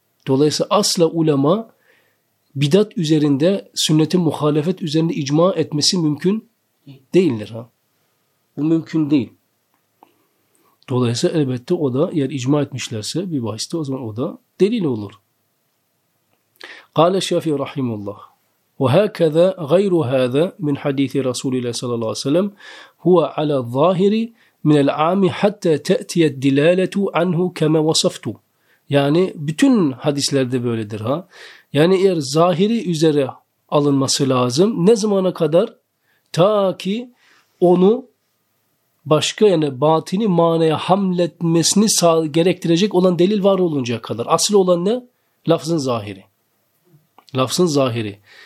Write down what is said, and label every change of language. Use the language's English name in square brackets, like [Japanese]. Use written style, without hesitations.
[Turkish] Dolayısıyla asla ulema bidat üzerinde, sünnetin muhalefet üzerinde icma etmesi mümkün değildir. Ha. Bu mümkün değil. Dolayısıyla elbette o da eğer icma etmişlerse bir bahiste o zaman o da delil olur. Kale Şafii Rahimullah. [Arabic] وهكذا غير هذا من حديث رسول الله صلى الله عليه وسلم هو على الظاهر من العام حتى تأتي الدلالة عنه كما وصفت. [Turkish] Yani bütün hadislerde böyledir ha. Yani eğer zahiri üzere alınması lazım. Ne zamana kadar? Ta ki onu başka yani batini manaya hamletmesini gerektirecek olan delil var oluncaya kadar. Asıl olan ne? Lafzın zahiri. Lafzın zahiri.